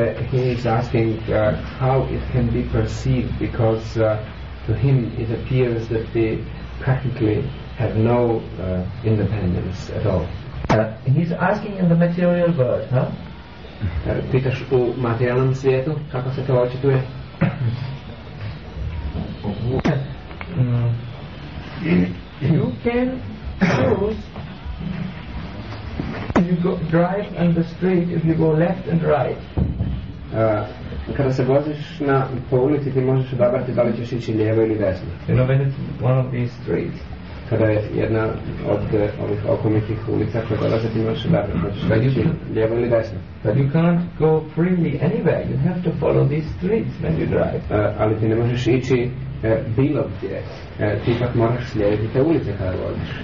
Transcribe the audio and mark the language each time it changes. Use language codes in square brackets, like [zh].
[en] He is asking how it can be perceived, because to him it appears that they practically have no independence at all. He's asking in the material world, huh? [hr] Pitaš u materijalnom svijetu kako se to očituje? [en] You can choose if you go drive on the street, if you go left and right. [hr] Kada se voziš na po ulici, ti možeš odabrati da li ćeš ići lijevo ili desno. [en] You know, when it's one of these streets. [hr] Kada je jedna od ovih okomitih ulica koja dolaze, ti možeš odabrati, možeš ići lijevo ili desno. [en] But you can't go freely anywhere. You have to follow these streets when you drive. [hr] Ali ti ne možeš ići bilo gdje. Ti ipak moraš slijediti te ulice kada voziš.